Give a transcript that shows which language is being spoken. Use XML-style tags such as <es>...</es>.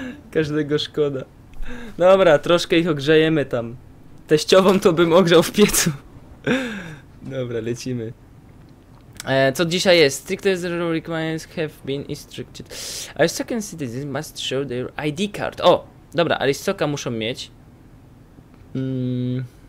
<pl>Każdego szkoda. Dobra, troszkę ich ogrzejemy tam. Teściową to bym ogrzał w piecu. Dobra, lecimy. Co dzisiaj jest?</pl> <en>Strict requirements have been instructed. Aristocrat citizens must show their ID card.</en> <pl>O, dobra, aristoka muszą mieć. Mm.</pl>